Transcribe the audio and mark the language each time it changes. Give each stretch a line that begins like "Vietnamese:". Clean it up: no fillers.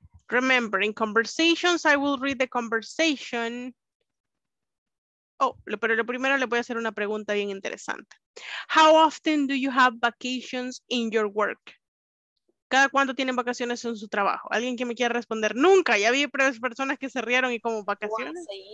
English: Remember, in conversations, I will read the conversation.
Spanish: Oh, pero lo primero le voy a hacer una pregunta bien interesante.
English: How often do you have vacations in your work?
Spanish: ¿Cada cuánto tienen vacaciones en su trabajo? ¿Alguien que me quiera responder? Nunca, ya vi personas que se rieron y como vacaciones.